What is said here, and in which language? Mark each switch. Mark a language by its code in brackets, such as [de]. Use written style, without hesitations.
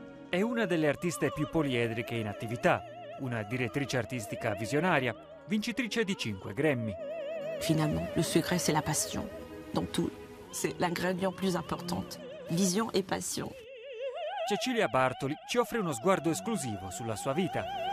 [it] È una delle artiste più poliedriche in attività, una direttrice artistica visionaria, vincitrice di 5 Grammy. Finalmente, il segreto è la passione. [fr] Dans tout, c'est l'ingrédient plus important. Vision et passion. [it] Cecilia Bartoli ci offre uno sguardo esclusivo sulla sua vita.